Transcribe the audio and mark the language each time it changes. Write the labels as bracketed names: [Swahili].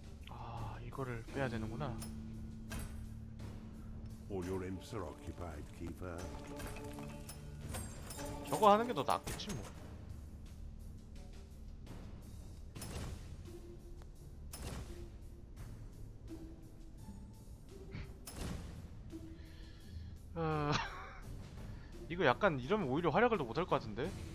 [Korean] 아, 이거를 빼야 되는구나. [English] All your imps are occupied, keeper. [Korean] 저거 하는 게 더 낫겠지 뭐. 이거 약간 이러면 오히려 활약을 더 못할 것 같은데?